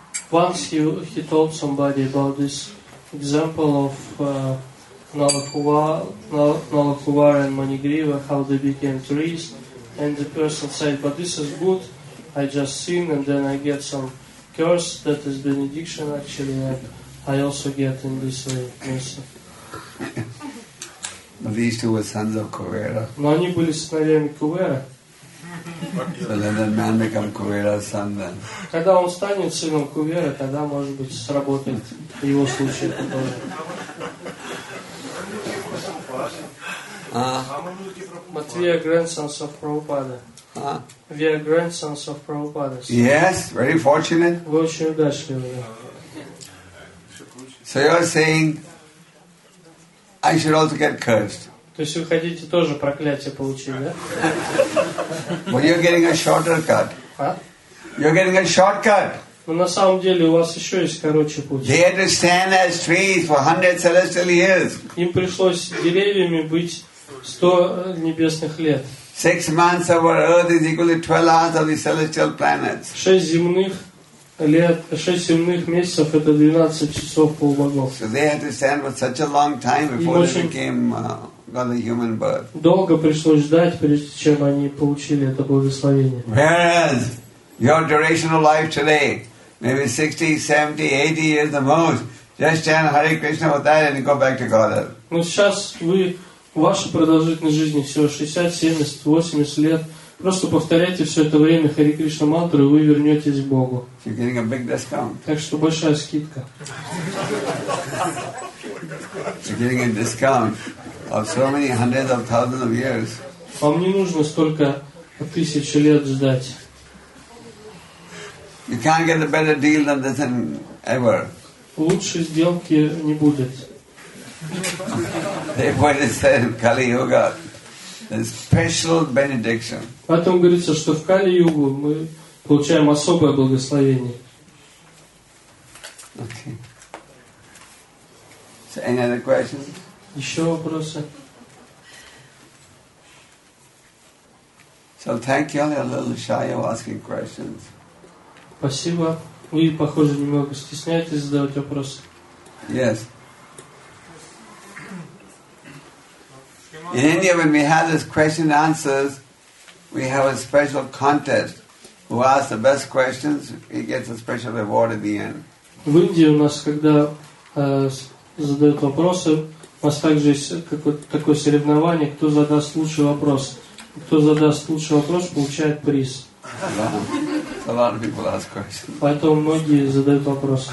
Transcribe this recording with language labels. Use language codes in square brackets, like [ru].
[en] Once he told somebody about this example of Nalakuvar and Manigriva, how they became trees, and the person said, but this is good, I just sin and then I get some curse, that is benediction actually, and I also get in this way. These two were sons of Kuvera. [ru] Но они были сыновьями Кувера. [en] So then the man become Kuvera's son then. [ru] Когда он станет сыном Кувера, тогда, может быть, сработает его случай. А Матвея [en] grandsons of Prabhupada. We are grandsons of Prabhupada. Yes, very fortunate. [ru] Вы очень удачливы. [en] So you are saying I should also get cursed. [ru] То есть вы хотите тоже проклятие получить, да? [en] But you're getting a shorter cut. You're getting a shortcut. [ru] Но на самом деле у вас еще есть короче путь. [en] They had to stand as trees for 100 celestial years. [ru] Им пришлось деревьями быть 100 небесных лет. [en] 6 months of our earth is equal to 12 hours of the celestial planets. [ru] 6 земных месяцев — это 12 часов полубогов. [en] So they had to stand for such a long time before they became got a human birth. [ru] Долго пришлось ждать, прежде чем они получили это благословение. [en] Whereas your duration of life today, maybe 60, 70, 80 years the most, just chant Hare Krishna with that and go back to Godhead. [ru] Но сейчас вы, ваша продолжительность жизни всего 60, 70, 80 лет. Просто повторяйте все это время Хари Кришна мантру, и вы вернетесь к Богу. [en] You're getting a big discount. [ru] Так что большая скидка. [en] You're getting a discount of so many hundreds of thousands of years. [ru] Вам не нужно столько тысяч лет ждать. [en] You can't get a better deal than this than ever. [ru] Лучшей сделки не будет. [en] They've already said in Kali Yuga. special benediction. [ru] Потом говорится, что в Кали-Югу мы получаем особое благословение. [en] Okay. So any other questions? [ru] Еще вопросы? [en] So thank you, you're a little shy of asking questions. [ru] Спасибо. Вы, похоже, немного стесняетесь задавать вопросы. [en] Yes. In India, when we have this question answers, we have a special contest. Who asks the best questions, he gets a special reward at the end. [ru] В Индии у нас, когда задают вопросы, у нас также есть такое соревнование, кто задаст лучший вопрос. Кто задаст лучший вопрос, получает приз. [en] A lot of people ask questions. [ru] Поэтому многие задают вопросы.